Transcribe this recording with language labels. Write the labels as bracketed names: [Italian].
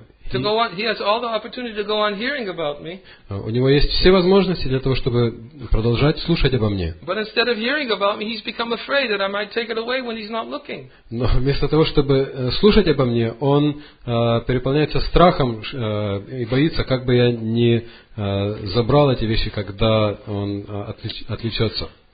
[English] He has all the opportunity to go on hearing about me. [Russian] У него есть все возможности для того, чтобы продолжать слушать обо мне. [English] But instead of hearing about me, he's become afraid that I might take it away when he's not looking. [Russian] Но вместо того, чтобы слушать обо мне, он переполняется страхом и боится, как бы я не забрал эти вещи, когда он отвлечется.